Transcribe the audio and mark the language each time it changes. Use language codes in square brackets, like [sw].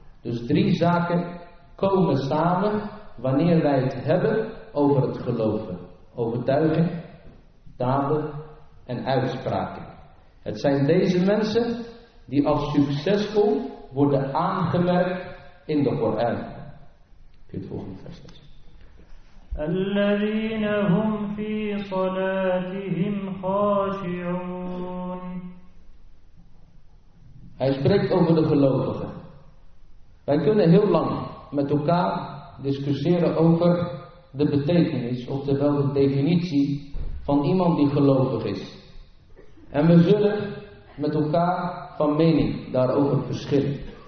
[nl] Dus drie zaken komen samen wanneer wij het hebben over het geloven. Overtuiging, daden en uitspraken. Het zijn deze mensen die als succesvol worden aangemerkt in de Koran. Het volgende vers. [ar] الذين هم في صلاتهم خاشعون. [nl] Hij spreekt over de gelovigen. Wij kunnen heel lang met elkaar discussiëren over de betekenis, oftewel de definitie van iemand die gelovig is. En we zullen met elkaar van mening daarover verschillen.